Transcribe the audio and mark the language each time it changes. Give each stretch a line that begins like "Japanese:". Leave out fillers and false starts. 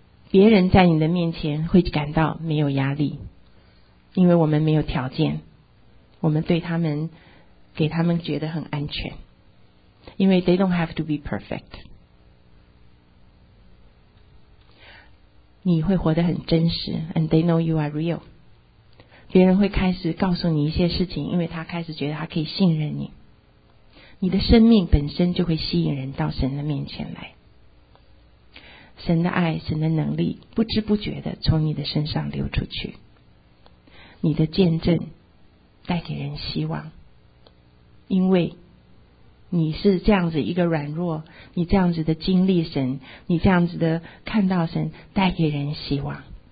Chinese: 别人在你的面前会感到没有压力，因为我们没有条件，我们对他们给他们觉得很安全，因为
English: they don't have to be perfect。
Chinese: 你会活得很真实，
English: and they know you are real。
Chinese: 别人会开始告诉你一些事情，因为他开始觉得他可以信任你，你的生命本身就会吸引人到神的面前来，神的爱，神的能力不知不觉地从你的身上流出去，你的见证带给人希望，因为你是这样子一个软弱，你这样子的经历神，你这样子的看到神，带给人希望。